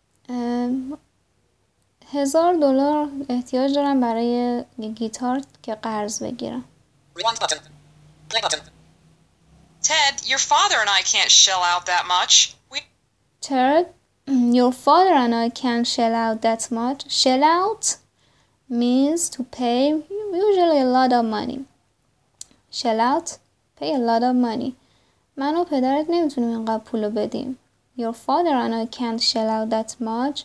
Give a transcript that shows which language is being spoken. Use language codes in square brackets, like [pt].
[fa] $1,000 احتیاج دارم برای گیتار که قرض بگیرم. [en] Ted, your father and I can't shell out that much. Ted, your father and I can't shell out that much. Shell out means to pay usually a lot of money. Shell out, pay a lot of money. [fa] من و پدرت نمیتونیم اینقدر پولو بدیم. [en] Your father and I can't shell out that much.